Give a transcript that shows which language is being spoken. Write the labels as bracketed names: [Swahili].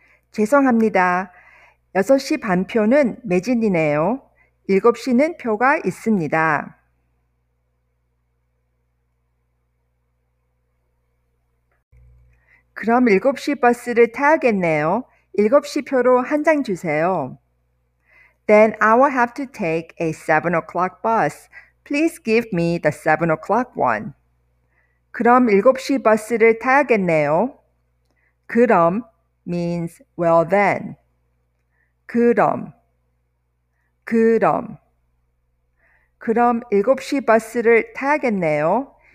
[Korean] 죄송합니다. 6시 반 표는 매진이네요. 7시는 표가 있습니다. 그럼 7시 버스를 타야겠네요. 7시 표로 한 장 주세요. [English] Then I will have to take a 7 o'clock bus. Please give me the 7 o'clock one. [Korean] 그럼 7시 버스를 타야겠네요. [English] 그럼 means well then. [Korean] 그럼 그럼 그럼 7시 버스를 타야겠네요.